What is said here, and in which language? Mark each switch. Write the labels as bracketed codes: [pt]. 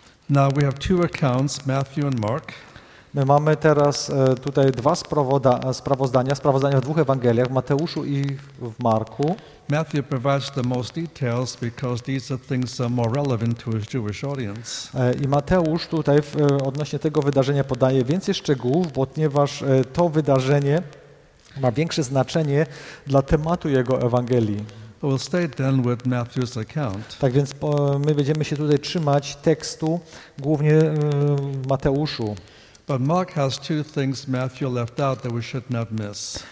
[en] Now we have two accounts, Matthew and Mark. [pl] My mamy teraz tutaj dwa sprawozdania w dwóch Ewangeliach, w Mateuszu i w Marku. [en] Matthew provides the most details because these are things that are more relevant to his Jewish audience. [pl] I Mateusz tutaj odnośnie tego wydarzenia podaje więcej szczegółów, ponieważ to wydarzenie ma większe znaczenie dla tematu jego Ewangelii. [en] We'll stay then with Matthew's account. [pl] Tak więc my będziemy się tutaj trzymać tekstu głównie Mateuszu. [en] But Mark has two things Matthew left out that we should not miss.